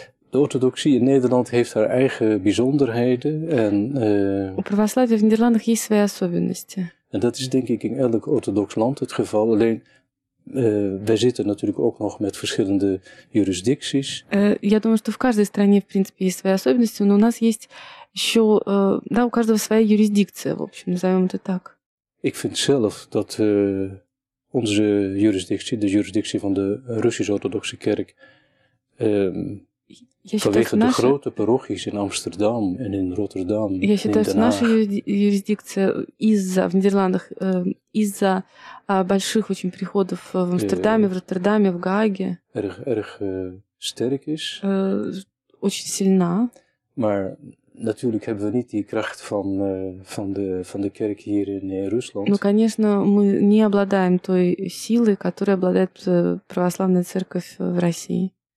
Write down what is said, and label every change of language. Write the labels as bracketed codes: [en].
[nl] De orthodoxie in Nederland heeft haar eigen bijzonderheden en [ru] у православия в Нидерландах есть свои особенности. [nl] En dat is denk ik in elk orthodox land het geval. Alleen wij zitten natuurlijk ook nog met verschillende jurisdicties. [ru] Я думаю, что в каждой стране в принципе есть свои особенности, но у нас есть еще да, у каждого своя юрисдикция, в общем, назовем это так. [nl] Ik vind zelf dat onze juridictie, de juridictie van de Russisch-Orthodoxe Kerk, vanwege de grote parochies in Amsterdam en in Rotterdam, in Den Haag. [ru] Наша юрисдикция в Нидерландах из-за больших очень приходов в Амстердаме, в Роттердаме, в Гааге. [nl] Erg sterk is. [ru] Очень сильна. [nl] Maar natuurlijk hebben we niet die kracht van de kerk hier in Rusland. [ru] Ну, конечно, мы не обладаем той силой, которой обладает православная церковь в России.